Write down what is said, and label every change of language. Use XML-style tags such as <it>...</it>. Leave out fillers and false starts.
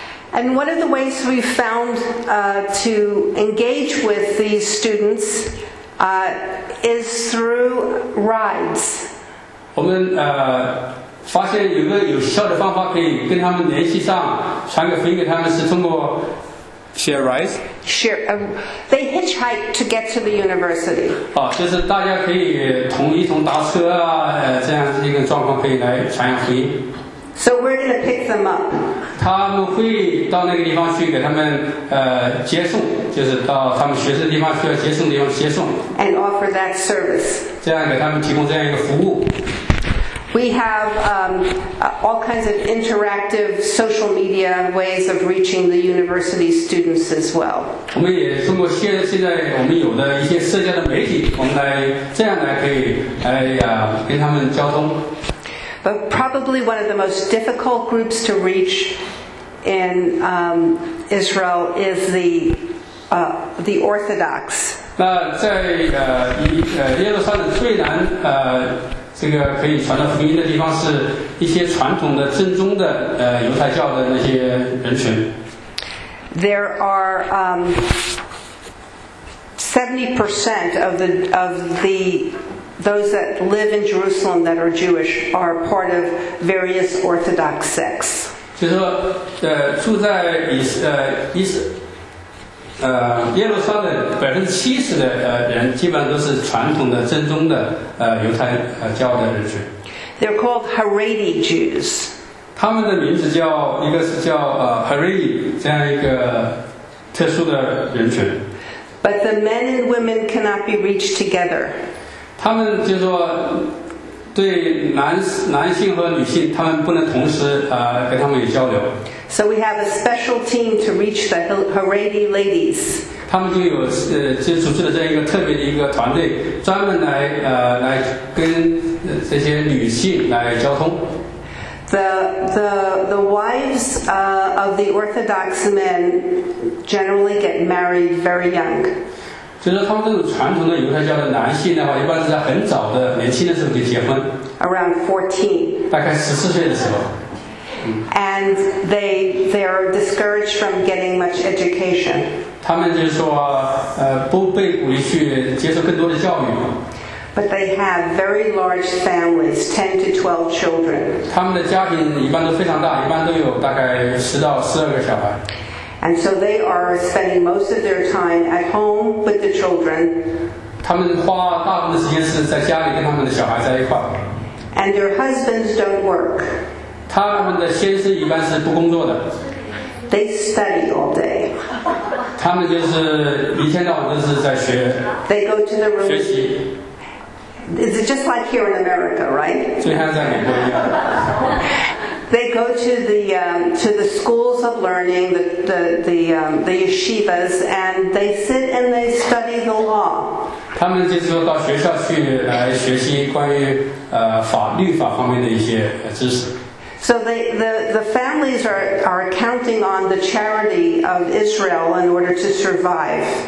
<en>And one of the ways we found to engage with these students is through rides.</en> <zh>我们发现有个有效的方法可以跟他们联系上，传个福音给他们是通过</zh> <en>share rides. Share, they hitchhike to get to the university.</en> <zh>就是大家可以一同搭车啊，这样一个状况可以来传扬福音。</zh> <en>So we're going to pick them up.</en> <zh>他们会到那个地方去给他们接送，就是到他们学生的地方需要接送的地方接送。</zh> <en>And offer that service.</en> <zh>这样给他们提供这样一个服务。</zh> <en>We have all kinds of interactive social media ways of reaching the university students as well.</en> <zh>我们也通过现在我们有的一些社交的媒体，我们来这样来可以来跟他们交通。</zh> <en>But probably one of the most difficult groups to reach in Israel is the Orthodox.</en> <zh>那在耶路撒冷最难这个可以传到福音的地方是一些传统的正宗的犹太教的那些人群。</zh> <en>There are 70% of the those that live in Jerusalem that are Jewish are part of various Orthodox sects.</en> <zh>就是说，住在耶路撒冷70%的人，基本上都是传统的正宗的犹太教的人群。</zh> <en>They're called Haredi Jews.</en> <zh>他们的名字叫一个是叫Haredi 这样一个特殊的人群。</zh> <en>But the men and women cannot be reached together.</en> <zh>他们就是说。对男性和女性他们不能同时跟他们有交流</zh> <en>So we have a special team to reach the Haredi ladies</en> <zh>他们就有就组织了这样一个特别的一个团队专门来跟这些女性来交通</zh> <en>The wives of the Orthodox men generally get married very young</en> <zh>就是他们这种传统的犹太教的男性的话，一般是在很早的年轻的时候就结婚。</zh> <en>Around 14.</en> <zh>大概14岁的时候。</zh> <en>And they are discouraged from getting much education.</en> <zh>他们就是说，不被鼓励去接受更多的教育。</zh> <en>But they have very large families, 10 to 12 children.</en> <zh>他们的家庭一般都非常大，一般都有大概10到12个小孩。</zh> <en>And so they are spending most of their time at home with the children.</en> <zh>他们花大部分的时间是在家里跟他们的小孩在一块。</zh> <en>And their husbands don't work.</en> <zh>他们的先生一般是不工作的。</zh> <en>They study all day.</en> <zh>他们就是一天到晚都是在学。</zh> <en>They go to the room.</en> <zh>学习。</zh> <en>Is it just like here in America, right?</en> <zh>就像在美国一样。</zh> <en>They go to the schools of learning, the yeshivas, and they sit and they study the law.</en> <zh>他们就是说到学校去来学习关于律法方面的一些知识。</zh> <en>So the families are counting on the charity of Israel in order to survive.</en>